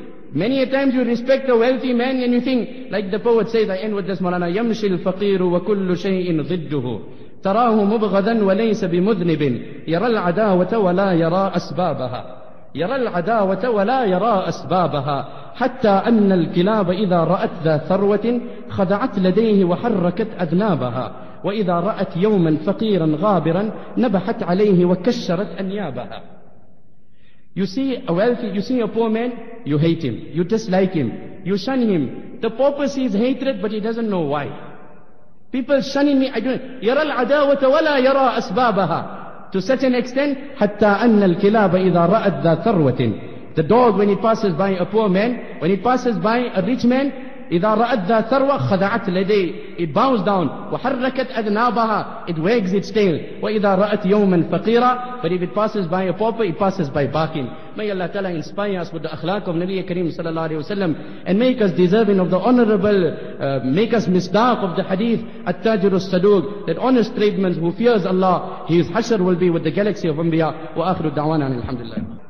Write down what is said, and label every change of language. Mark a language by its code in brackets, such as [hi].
[en] Many a times you respect a wealthy man and you think, like the poet says, I end with this, Marana, [ar] يمشي الفقير وكل شيء ضده تراه مبغضا وليس بمذنب يرى العداوة ولا يرى أسبابها. يرى العداوة ولا يرى أسبابها، حتى أن الكلاب إذا رأت ذا ثروة خضعت لديه وحركت أذنابها، وإذا رأت يوما فقيرا غابرا نبحت عليه وكشرت أنيابها. [en] You see a wealthy, you see a poor man, you hate him, you dislike him, you shun him. The pauper sees hatred but he doesn't know why. People shunning me, I don't know. [ar] يرى العداوة ولا يرى أسبابها. [en] To such an extent, [ar] حتى أن الكلاب إذا رأت ذا ثروة. [en] The dog, when it passes by a poor man, when it passes by a rich man, [ar] إذا رأت ذا ثروة خضعت لديه. [en] It bows down. [ar] وحركت أذنابها. [en] It wags its tail. [ar] وإذا رأت يوما فقيرا. [en] But if it passes by a pauper, it passes by barking. May Allah Ta'ala inspire us with the akhlaq of Nabi Kareem sallallahu alayhi wa sallam and make us deserving of the honorable, make us misdaq of the hadith At-Tajir al-Saduq, that honest tradesman who fears Allah, his hashar will be with the galaxy of Anbiya. Wa akhiru da'wana alhamdulillah.